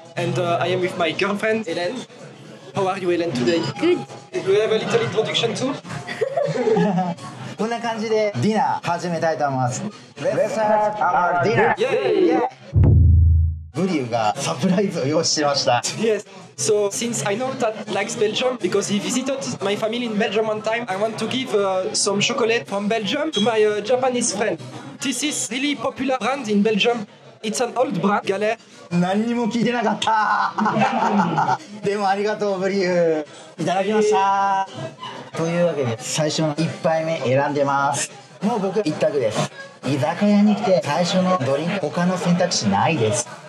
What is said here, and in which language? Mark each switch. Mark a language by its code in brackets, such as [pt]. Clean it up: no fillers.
[en] And I am with my girlfriend, Hélène. How are you, Hélène, today? Good. Do you have a little introduction too? [ja] こんな感じでディナー始めたいと思います。 [en] Let's start our dinner! Yay! Yeah! [ja] ブリューがサプライズを用意してました。 [en] Yes. So since I know that likes Belgium because he visited my family in Belgium one time, I want to give some chocolate from Belgium to my Japanese friend. This is really popular brand in Belgium. It's an old brand, Galère. [ja] 何にも聞いてなかった。でもありがとうブリュー。いただきました。というわけで最初の一杯目選んでます。もう僕一択です。居酒屋に来て最初のドリンク、他の選択肢ないです。